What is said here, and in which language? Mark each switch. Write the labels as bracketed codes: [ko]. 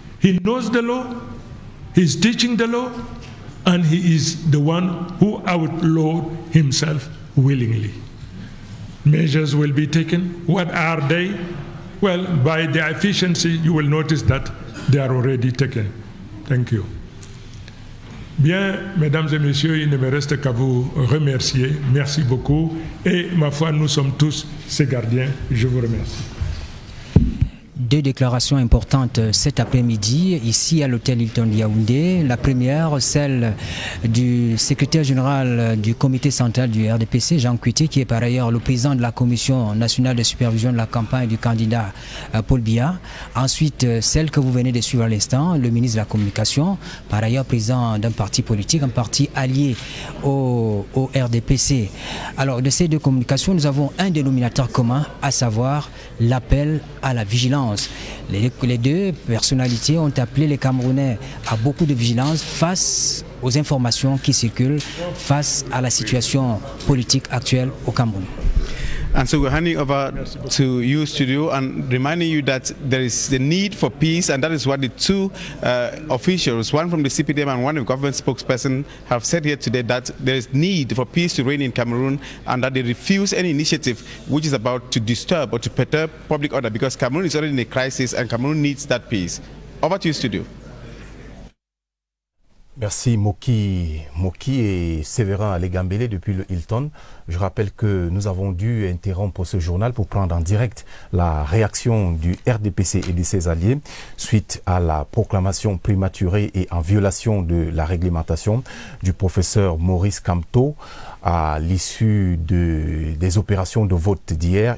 [en] He knows the law, he's teaching the law, and he is the one who outlawed himself willingly. Measures will be taken. What are they? Well, by the efficiency, you will notice that they are already taken. Thank you. [fr] Bien, mesdames et messieurs, il ne me reste qu'à vous remercier. Merci beaucoup. Et ma foi, nous sommes tous ses gardiens. Je vous remercie. Deux déclarations importantes cet après-midi ici à l'hôtel Hilton Yaoundé. La première, celle du secrétaire général du comité central du RDPC, Jean Cuité, qui est par ailleurs le président de la commission nationale de supervision de la campagne du candidat Paul Biya. Ensuite, celle que vous venez de suivre à l'instant, le ministre de la communication, par ailleurs président d'un parti politique, un parti allié au RDPC. Alors, de ces deux communications, nous avons un dénominateur commun, à savoir l'appel à la vigilance. Les deux personnalités ont appelé les Camerounais à beaucoup de vigilance face aux informations qui circulent, face à la situation politique actuelle au Cameroun. [en] And so we're handing over to you, studio, and reminding you that there is the need for peace, and that is what the two officials, one from the CPDM and one of the government spokesperson, have said here today, that there is need for peace to reign in Cameroon, and that they refuse any initiative which is about to disturb or to perturb public order, because Cameroon is already in a crisis and Cameroon needs that peace. Over to you, studio. [fr] Merci Moki et Séverin Alegambélé depuis le Hilton. Je rappelle que nous avons dû interrompre ce journal pour prendre en direct la réaction du RDPC et de ses alliés suite à la proclamation prématurée et en violation de la réglementation du professeur Maurice Kamto à l'issue des opérations de vote d'hier.